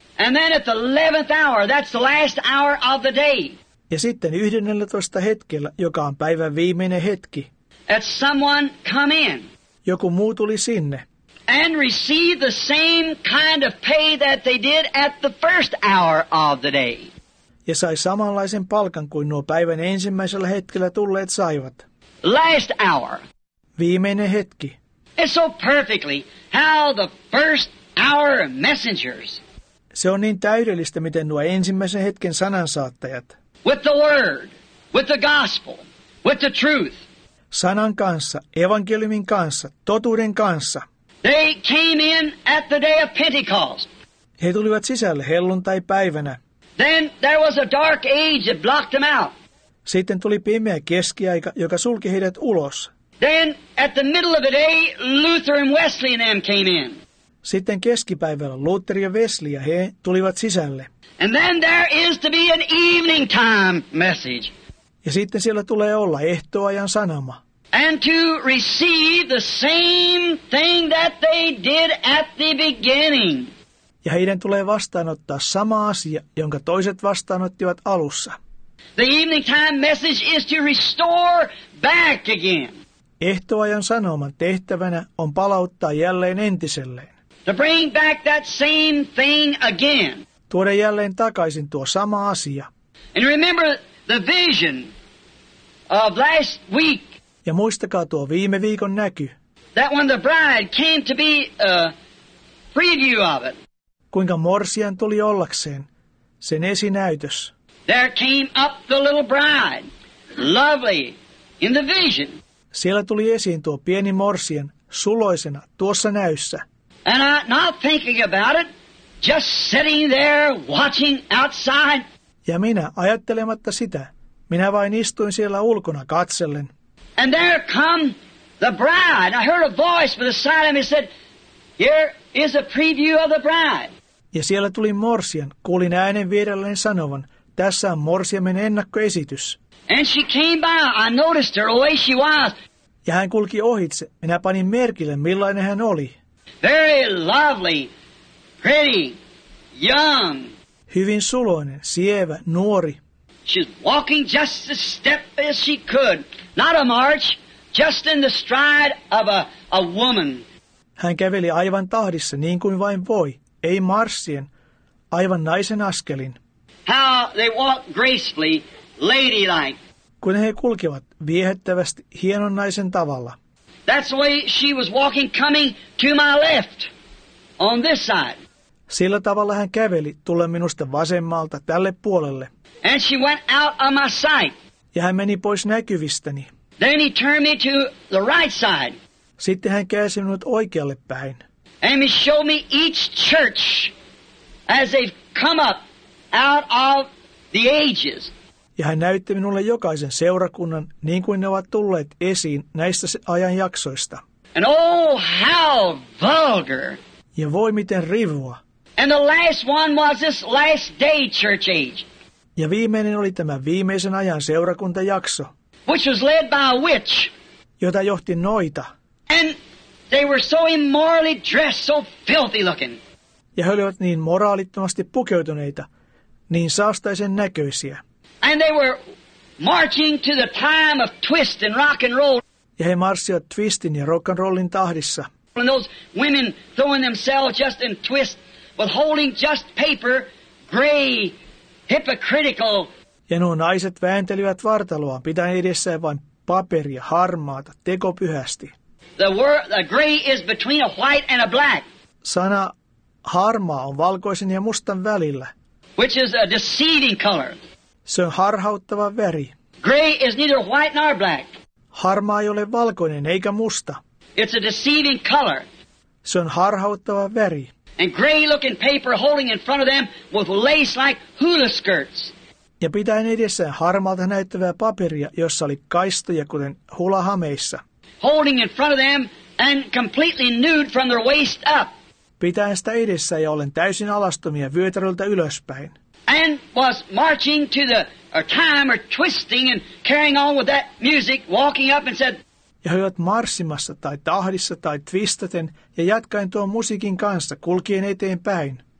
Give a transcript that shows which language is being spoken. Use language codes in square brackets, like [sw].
[en] And then at the 11th hour, that's the last hour of the day. [fi] Ja sitten 11. hetkellä, joka on päivän viimeinen hetki. [en] At someone come in. [fi] Joku muu tuli sinne. [en] And receive the same kind of pay that they did at the first hour of the day. [fi] Ja sai samanlaisen palkan kuin nuo päivän ensimmäisellä hetkellä tulleet saivat. [en] Last hour. [fi] Viimeinen hetki. [en] It's so perfectly how the first hour messengers. [fi] Se on niin täydellistä, miten nuo ensimmäisen hetken sanansaattajat. [en] With the word, with the gospel, with the truth. [fi] Sanan kanssa, evankeliumin kanssa, totuuden kanssa. [en] They came in at the day of Pentecost. [fi] He tulivat sisälle helluntaipäivänä. [en] Then there was a dark age that blocked them out. [fi] Sitten tuli pimeä keskiaika, joka sulki heidät ulos. [en] Then at the middle of the day, Luther and Wesley and them came in. [fi] Sitten keskipäivällä Luther ja Wesley ja he tulivat sisälle. [en] And then there is to be an evening time message. [fi] Ja sitten siellä tulee olla ehtoajan sanoma. [en] And to receive the same thing that they did at the beginning. [fi] Ja heidän tulee vastaanottaa sama asia, jonka toiset vastaanottivat alussa. [en] The evening time message is to restore back again. [fi] Ehtoajan sanoman tehtävänä on palauttaa jälleen entiselleen. [en] To bring back that same thing again. [fi] Tuoda jälleen takaisin tuo sama asia. [en] And remember the vision of last week. [fi] Ja muistakaa tuo viime viikon näky. [en] That when the bride came to be a preview of it. [fi] Kuinka morsian tuli ollakseen sen esinäytös. [en] There came up the little bride, lovely, in the vision. [fi] Siellä tuli esiin tuo pieni morsian suloisena tuossa näyssä. [en] And I, not thinking about it, just sitting there watching outside. [fi] Ja minä ajattelematta sitä, minä vain istuin siellä ulkona katsellen. [en] And there come the bride. I heard a voice from the side of me said, "Here is a preview of the bride." [fi] Ja siellä tuli morsian, kuulin äänen vierelleen sanovan, "Tässä on morsiamen ennakkoesitys." [en] And she came by. I noticed her the way she was. [fi] Ja hän kulki ohitse. Minä panin merkille, millainen hän oli. [en] Very lovely, pretty, young. [fi] Hyvin suloinen, sievä, nuori. [en] She's walking just as step as she could. Not a march, just in the stride of a woman. [fi] Hän käveli aivan tahdissa, niin kuin vain voi, ei marssien, aivan naisen askelin. [en] How they walk gracefully, ladylike. [fi] Kun he kulkivat viehättävästi, hienon naisen tavalla. [en] That's the way she was walking, coming to my left, on this side. [fi] Sillä tavalla hän käveli, tulle minusta vasemmalta, tälle puolelle. [en] And she went out of my sight. [fi] Ja hän meni pois näkyvistäni. [en] Then he turned me to the right side. [fi] Sitten hän käänsi minut oikealle päin. [en] And he showed me each church as they've come up out of the ages. [fi] Ja hän näytti minulle jokaisen seurakunnan, niin kuin ne ovat tulleet esiin näistä ajanjaksoista. [en] And oh, how vulgar! [fi] Ja voi miten rivua! [en] And the last one was this last day church age. [fi] Ja viimeinen oli tämä viimeisen ajan seurakuntajakso, [en] which was led by a witch. [fi] Jota johti noita. [en] And they were so immorally dressed, so filthy looking. [fi] Ja he olivat niin moraalittomasti pukeutuneita, niin saastaisen näköisiä. [en] And they were marching to the time of twist and rock and roll. [fi] Ja he marssivat twistin ja rock and rollin tahdissa. [en] And those women throwing themselves just in twist, but holding just paper, gray, hypocritical. [fi] Ja nuo naiset vääntelivät vartaloaan, pitäen edessään vain paperia, harmaata, tekopyhästi. [en] The gray is between a white and a black. [fi] Sana harmaa on valkoisen ja mustan välillä. [en] Which is a deceiving color. [fi] Se on harhauttava väri. [en] Gray is neither white nor black. [fi] Harmaa ei ole valkoinen eikä musta. [en] It's a deceiving color. [fi] Se on harhauttava väri. [en] And gray-looking paper holding in front of them with lace like hula skirts. [fi] Ja pitäen edessään harmalta näyttävää paperia, jossa oli kaistoja kuten hula-hameissa. [en] Holding in front of them and completely nude from their waist up. [fi] Pitäen sitä edessä ja olen täysin alastomia vyötäröltä ylöspäin. [en] And was marching to the time or twisting and carrying on with that music, walking up and said, [fi] ja he ovat marssimassa tai tahdissa tai twistaten ja jatkaen tuon musiikin kanssa kulkien eteenpäin.